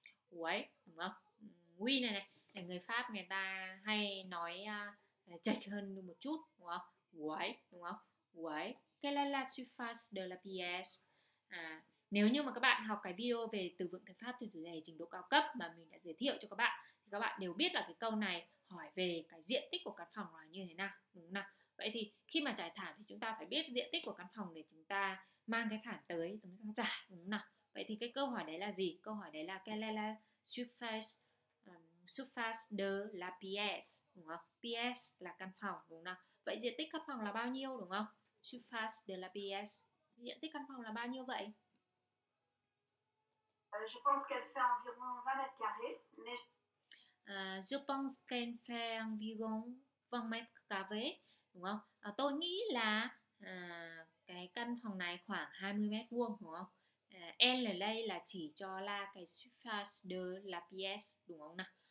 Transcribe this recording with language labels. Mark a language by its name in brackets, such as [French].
[Vietnamese] Oui, đúng không? Oui này, người Pháp người ta hay nói chạch hơn một chút, đúng không? Oui, đúng không? [French] Oui, quelle est la surface de la pièce? [Vietnamese] Nếu như mà các bạn học cái video về từ vựng tiếng Pháp trên chủ đề trình độ cao cấp mà mình đã giới thiệu cho các bạn, thì các bạn đều biết là cái câu này hỏi về cái diện tích của căn phòng là như thế nào, đúng không nào? Vậy thì khi mà trải thảm thì chúng ta phải biết diện tích của căn phòng để chúng ta mang cái thảm tới, chúng ta trải, đúng không nào? Vậy thì cái câu hỏi đấy là gì? Câu hỏi đấy là [French] quelle est la surface, surface de la pièce, [Vietnamese] đúng không? Pièce là căn phòng, đúng không? Vậy diện tích căn phòng là bao nhiêu, đúng không? [French] Surface de la pièce, [Vietnamese] diện tích căn phòng là bao nhiêu vậy? [French] Je pense qu'elle fait environ 20 mètres carrés. Je pense qu'elle fait environ 20 mètres carrés, [Vietnamese] đúng không? Tôi nghĩ là cái căn phòng này khoảng 20 mét vuông, đúng không? Elle đây là chỉ cho là cái [French] surface de la pièce, [Vietnamese] đúng không nào?